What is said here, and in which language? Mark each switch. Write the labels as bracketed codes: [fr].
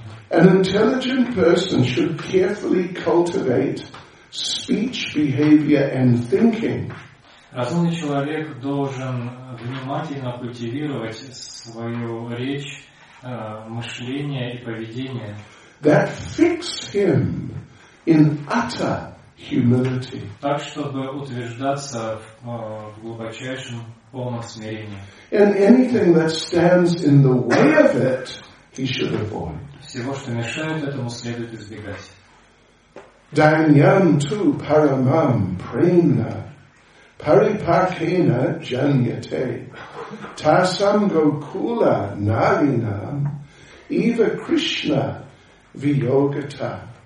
[en] An intelligent person should carefully cultivate speech, behavior, and thinking. [ru] Разумный человек должен внимательно культивировать свою речь, мышление и поведение. [en] That fix him in utter humility. [ru] Так, чтобы утверждаться в глубочайшем полном смирении. [en] And anything that stands in the way of it, he should avoid. [ru] Всего, что мешает этому, следует избегать. [sa] Danyam tu paramam prena paripakena janyate tasam gokula narinam eva krishna viyogata.